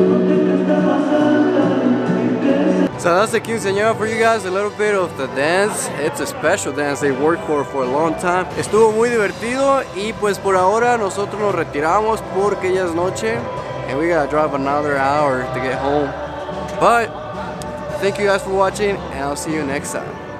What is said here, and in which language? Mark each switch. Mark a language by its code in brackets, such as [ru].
[en] So that's the quinceañera for you guys, a little bit of the dance. It's a special dance they worked for a long time. [es] Estuvo muy divertido y pues por ahora nosotros nos retiramos porque ya es noche. [en] And we gotta drive another hour to get home. But thank you guys for watching and I'll see you next time.